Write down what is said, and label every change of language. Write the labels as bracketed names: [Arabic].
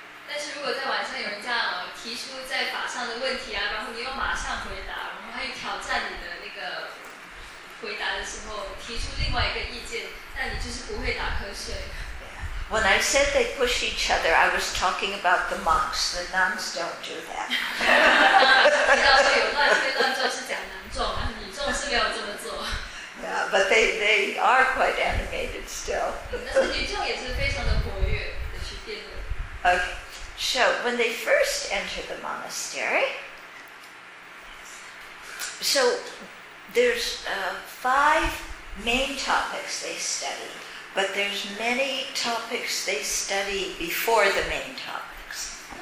[Chinese] 但是如果在晚上有人这样提出在法上的问题啊，然后你又马上回答，然后他又挑战你的那个回答的时候，提出另外一个意见，那你就是不会打瞌睡。 [English] When I said they push each other, I was talking about the monks. The nuns don't do that. [Chinese] 提到说有乱，所以乱众是讲男众，女众是没有这么做。 [English] Yeah, but they are quite animated still. [Chinese] 但是女众也是非常的活跃的去辩论。 [English] Okay, so when they first enter the monastery, so there's five main topics they study. But there's many topics they study before the main topics.